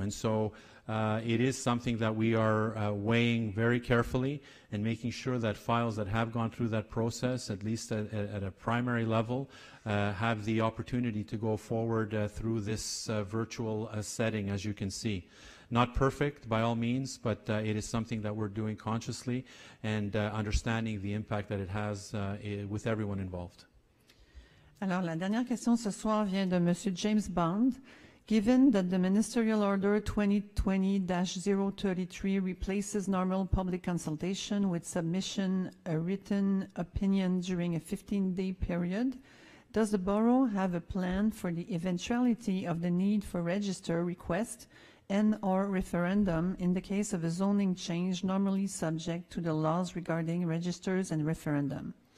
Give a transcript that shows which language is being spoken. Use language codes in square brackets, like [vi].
[en] And so it is something that we are weighing very carefully and making sure that files that have gone through that process, at least at a primary level, have the opportunity to go forward through this virtual setting, as you can see. Not perfect by all means, but it is something that we're doing consciously and understanding the impact that it has with everyone involved. [fr] Alors, la dernière question ce soir vient de Monsieur James Bond. [en] Given that the Ministerial Order 2020-033 replaces normal public consultation with submission a written opinion during a 15-day period, does the borough have a plan for the eventuality of the need for register request and or referendum in the case of a zoning change normally subject to the laws regarding registers and referendum?